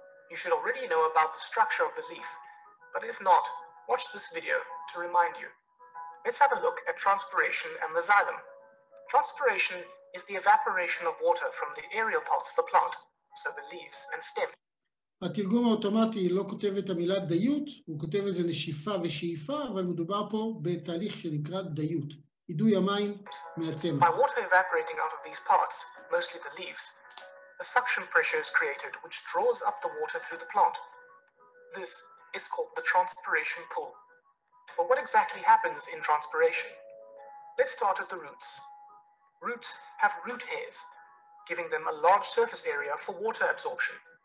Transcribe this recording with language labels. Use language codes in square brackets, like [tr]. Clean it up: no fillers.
[en] You should already know about the structure of the leaf, but if not, watch this video to remind you. Let's have a look at transpiration and the xylem. Transpiration is the evaporation of water from the aerial parts of the plant, so the leaves and stem. [he] התרגום האוטומטי לא כותב את המילה דיות, הוא כותב איזה נשיפה ושאיפה, אבל מדובר פה בתהליך שנקרא דיות, עידוי המים מהצמח. [en] By water evaporating out of these parts, mostly the leaves, a suction pressure is created which draws up the water through the plant. This is called the transpiration pool. But what exactly happens in transpiration? Let's start at the roots. Roots have root hairs, giving them a large surface area for water absorption.